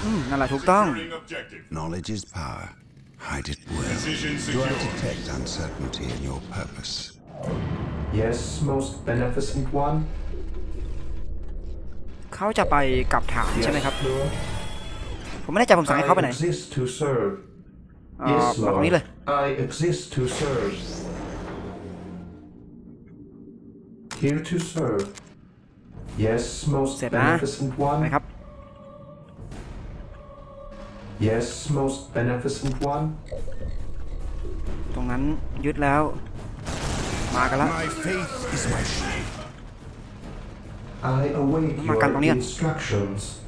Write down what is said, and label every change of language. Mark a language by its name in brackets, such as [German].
[Thai] นั่นแหละถูกต้อง [English] Knowledge is power. Hide it well. Decision secure. Do I detect uncertainty in your purpose? Yes, most beneficent one. [Thai] เขาจะไปกับฐานใช่ไหมครับผมไม่แน่ใจผมสั่งให้เขาไปไหน [English] I exist to serve. Yes, lord. I exist to serve. Here to serve. Yes, most beneficent one. [Thai] ครับ [English] Yes, most beneficent one. [Thai] ตรงนั้นยึดแล้วมากันแล้วมากันตรงนี้ instructions.